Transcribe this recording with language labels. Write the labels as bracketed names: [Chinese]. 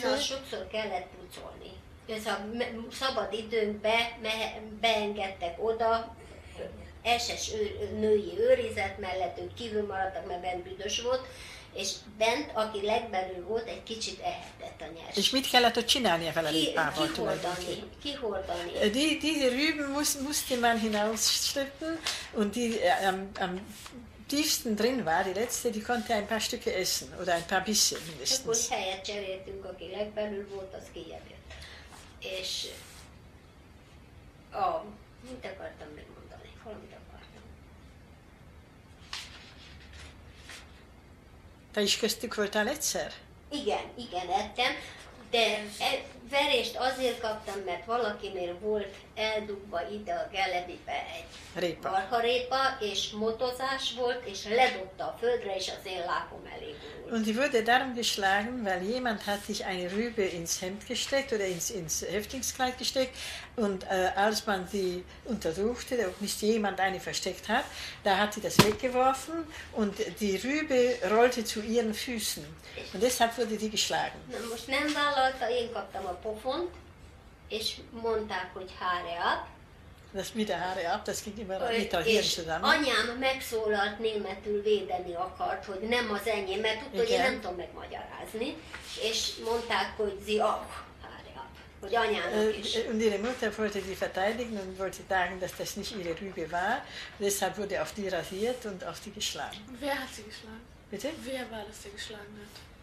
[Hungarian] Benne, sokszor kellett pucolni. Ez a szabad időnkbe beengedtek oda, SS női őrizet mellett, ők kívül maradtak, mert bent büdös volt, és bent, aki legbelül volt, egy kicsit ehetett a nyers. És mit kellett ott csinálni a felelőpával? Kihordani. [German] Diese Rüben musste man hinausschleppen, und die tiefsten drin war, die letzte, die konnte ein paar Stücke essen, oder ein paar Bisse mindestens. [Hungarian] Akkor helyet cseréltünk, aki legbelül volt, az kijebb jött. És mit akartam még mondani? Valamit akartam. Te is köztük voltál egyszer? Igen, ettem, de verést azért kaptam, mert valakinél volt eldugva ide a gelebibe egy répa. Marharépa, és motozás volt, és ledobta a földre, és az én lábom elé gurult. [German] Und ich wurde darum geschlagen, weil jemand hat sich eine Rübe ins Hemd gesteckt, oder ins Häftlingskleid gesteckt, und als man sie untersuchte, ob nicht jemand eine versteckt hat, da hat sie das weggeworfen, und die Rübe rollte zu ihren Füßen. Und deshalb wurde sie geschlagen. [Hungarian] Na most nem vállalta, én kaptam a pofont, és mondták, hogy hárja ab. [German] Das mit der Haare ab, das ging immer mit der Hirn zusammen. [Hungarian] Anyám megszólalt németül védeni akart, hogy nem az enyém, mert tudta, hogy én nem tudom megmagyarázni. És mondták, hogy [German] sie auch Haare ab, [Hungarian] hogy anyának is. [German] Und ihre Mutter wollte sie verteidigen und wollte sagen, dass das nicht ihre Rübe war. Deshalb wurde auf die rasiert und auf die geschlagen. Wer hat sie geschlagen? Bitte? Wer war das, der geschlagen hat?